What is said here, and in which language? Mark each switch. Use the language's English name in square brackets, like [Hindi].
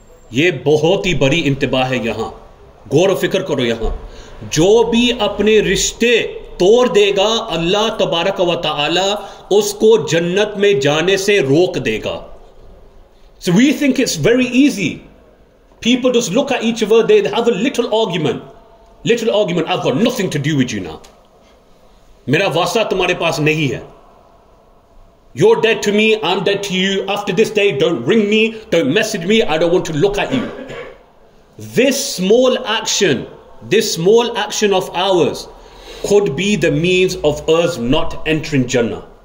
[Urdu] Yeh bohot hi badi intibah hai yahan. غور و فکر کرو یہاں, جو بھی اپنے رشتے توڑ دے گا اللہ تبارک و تعالی اس کو جنت میں جانے سے روک دے گا. [English] So we think it's very easy. People just look at each other, they have a little argument, I've got nothing to do with you now. [Urdu] میرا واسطہ تمہارے پاس نہیں ہے. [English] You're dead to me, I'm dead to you. After this day, don't ring me, don't message me, I don't want to look at you. This small action of ours could be the means of us not entering Jannah.